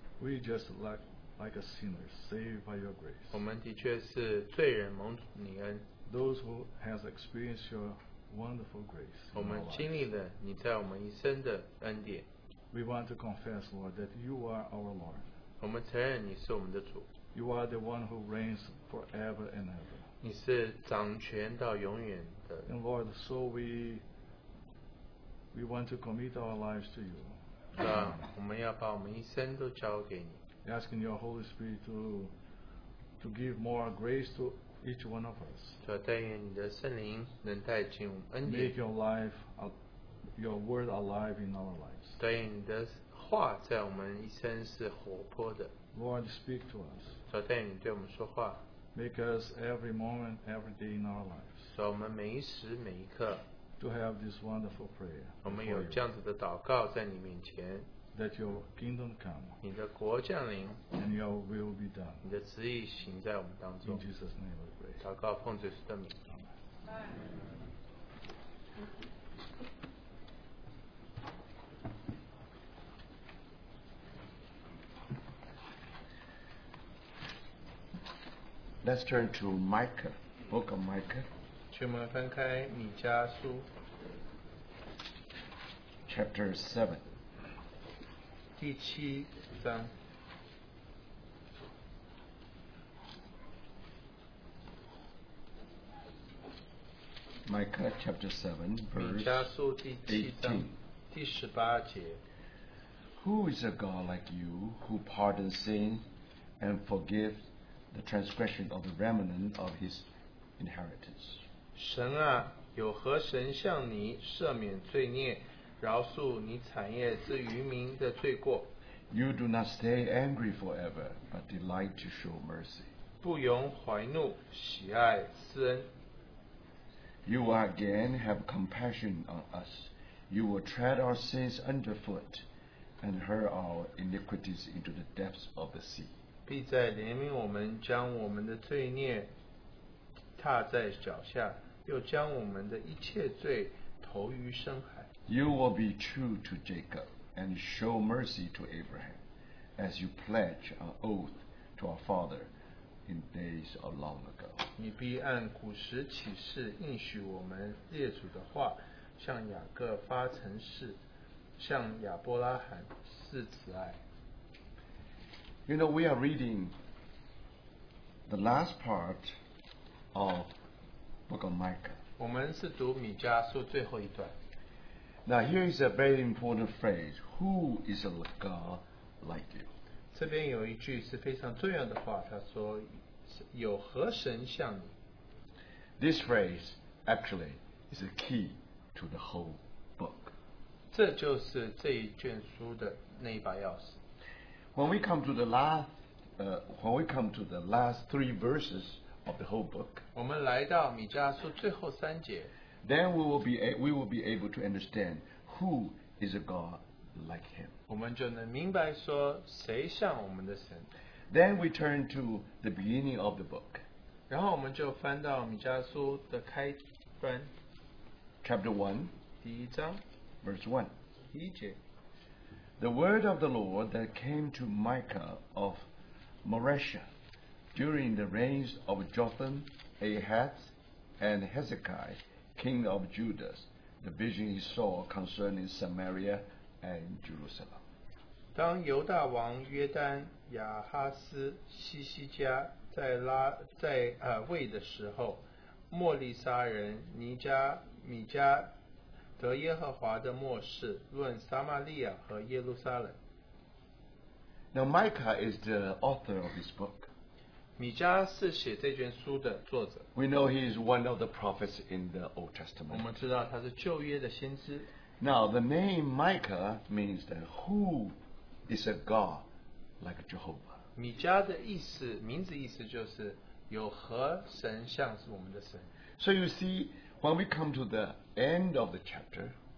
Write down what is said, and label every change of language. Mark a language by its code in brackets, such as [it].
[en] We just like a sinner saved by your grace. [zh] 我们的确是罪人蒙你恩。 [en] Those who has experienced your wonderful grace. [zh] 我们经历了你在我们一生的恩典。 [en] We want to confess, Lord, that you are our Lord. [zh] 我们承认你是我们的主。 [en] You are the one who reigns forever and ever. [zh] 你是掌权到永远的。 [en] And Lord, so we want to commit our lives to you. [zh] 主啊，我们要把我们一生都交给你。 [en] Asking your Holy Spirit to give more grace to each one of us. [zh] 主啊，但愿你的圣灵能带进我们恩典。 [en] Make your word alive in our lives. [zh] 但愿你的话在我们一生是活泼的。 [en] Lord, speak to us. [zh] 主啊，但愿你对我们说话。 [en] Make us every moment, every day in our lives. [zh] 主啊，我们每一时每一刻。 [en] To have this wonderful prayer. [zh] 我们有这样子的祷告在你面前。 [en] That your kingdom come. [zh] 你的国降临。 [en] And your will be done. [zh] 你的旨意行在我们当中。 [en] In Jesus' name we pray. [zh] 祷告奉主耶稣的名。 [en] Amen. Let's turn to Micah, book of Micah. [zh] 请我们翻开米迦书。 [en] Chapter 7. [zh] 第七章。 [en] Micah chapter 7, verse [zh] 18. 米迦书第七章第十八节。 [en] Who is a God like you who pardons sin and forgives the transgression of the remnant of his inheritance. [zh] 神啊，有何神像你赦免罪孽，饶恕你产业之余民的罪过？ [en] You do not stay angry forever, but delight to show mercy. [zh] 不容怀怒，喜爱施恩。 [en] You again have compassion on us. You will tread our sins underfoot and hurl our iniquities into the depths of the sea. [zh] 必在怜悯我们，将我们的罪孽踏在脚下，又将我们的一切罪投于深海。 [en] You will be true to Jacob and show mercy to Abraham, as you pledge an oath to our father in days of long ago. [zh] 你必按古时起誓，应许我们列祖的话，向雅各发诚誓，向亚伯拉罕誓慈爱。 [en] You know, we are reading the last part of Book of Micah. [zh] 我们是读米迦书最后一段。 [en] Now, here is a very important phrase. Who is a God like you? [zh] 这边有一句是非常重要的话，他说，有何神像你？ [en] This phrase actually is the key to the whole book. [zh] 这就是这一卷书的那一把钥匙。 [en] When we come to the last three verses of the whole book, [zh] 我们来到米迦书最后三节， [en] then we will be able to understand who is a God like him. [zh] 我们就能明白说谁像我们的神。 [en] Then we turn to the beginning of the book. [zh] 然后我们就翻到米迦书的开端。 [en] Chapter 1, [zh] 第一章， [en] verse 1, [zh] 第一节。 [en] The word of the Lord that came to Micah of Moresha during the reigns of Jotham, Ahaz, and Hezekiah, king of Judah, the vision he saw concerning Samaria and Jerusalem. [zh] 当犹大王约丹亚哈斯西西加在位的时候，莫利沙人尼加米加得耶和华的默示，论撒玛利亚和耶路撒冷。 [en] Now Micah is the author of this book. [zh] 米迦是写这卷书的作者。 [en] We know he is one of the prophets in the Old Testament. [zh] 我们知道他是旧约的先知。 [en] Now the name Micah means that who is a God like Jehovah? [zh] 米迦的意思，名字意思就是有何神像是我们的神。 [en] So you see, when we come to the end of the chapter,